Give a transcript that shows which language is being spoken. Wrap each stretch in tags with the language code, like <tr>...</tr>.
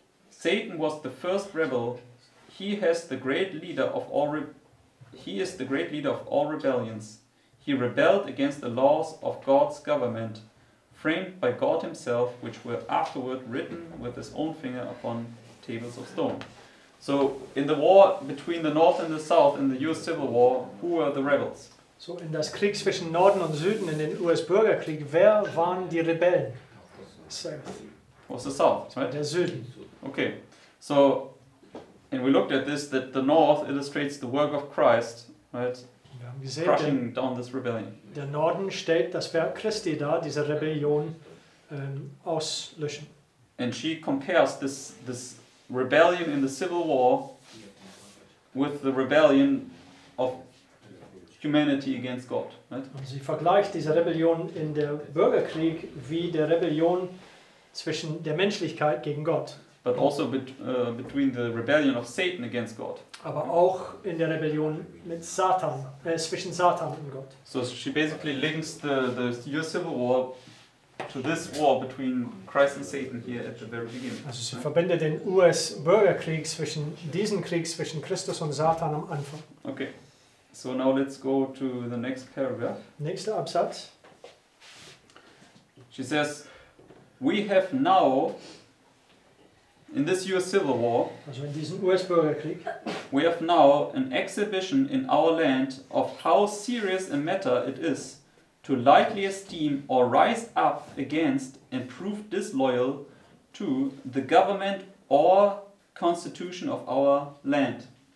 <en>Satan was the first rebel. He is the great leader of all rebellions. He rebelled against the laws of God's government, framed by God himself, which were afterward written with his own finger upon tables of stone. So, in the war between the North and the South, in the US Civil War, who were the rebels?</en> <de>So in das Krieg zwischen Norden und Süden, in den US-Bürgerkrieg, wer waren die Rebellen?</de> <en>South. Was the South, right?</en> <de>Der Süden.</de> <en>Okay, so, and we looked at this, that the North illustrates the work of Christ, right?</en> <de>Wir haben gesehen,</de> <en>crushing down this rebellion.</en> <de>Der Norden stellt das Werk Christi dar, diese Rebellion auslöschen.</de> <en>And she compares this rebellion in the Civil War with the rebellion of humanity against God, right?</en> <de>Und sie vergleicht diese Rebellion in der Bürgerkrieg wie der Rebellion zwischen der Menschlichkeit gegen Gott.</de> <en>But also between the rebellion of Satan against God.</en> <de>Aber auch in der Rebellion mit Satan, zwischen Satan und Gott.</de> <en>So she basically links the US Civil War to this war between Christ and Satan here at the very beginning.</en> <de>Also sie verbindet den US Bürgerkrieg zwischen diesen Krieg zwischen Christus und Satan am Anfang.</de> <en>Okay. So now let's go to the next paragraph.</en> <de>Nächster Absatz.</de> <en>She says, we have now In this US Civil War,</en> <de>also in diesem US-Bürgerkrieg,</de> <en>we have now an exhibition in our land of how serious a matter it is to lightly esteem or rise up against and prove disloyal to the government or constitution of our land.</en>